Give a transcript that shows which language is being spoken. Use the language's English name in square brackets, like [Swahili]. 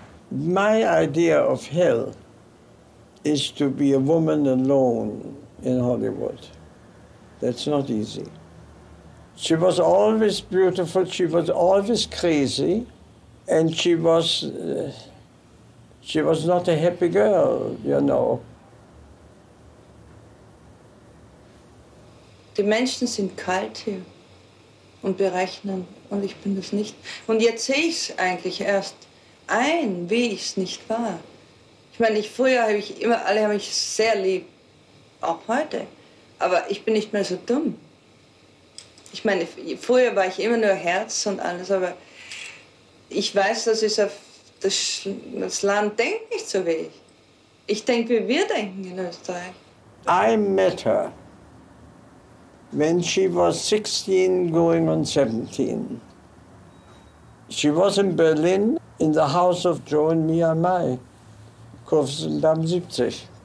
[English] My idea of hell is to be a woman alone in Hollywood. That's not easy. She was always beautiful, she was always crazy, and she was not a happy girl, you know. [German] Die Menschen sind kalt hier und berechnen, und ich bin das nicht. Und jetzt sehe ich es eigentlich erst ein, wie ich es nicht war. Ich meine, früher habe ich immer, alle haben mich sehr lieb, auch heute, aber ich bin nicht mehr so dumm. Ich meine, früher war ich immer nur Herz und alles, aber ich weiß, dass ich auf das Land denkt nicht so wie ich. Ich denke, wie wir denken in Österreich. [English] I met her when she was 16 going on 17. She was in Berlin in the house of Joe and Mia Mai, Kurfürstendamm 70.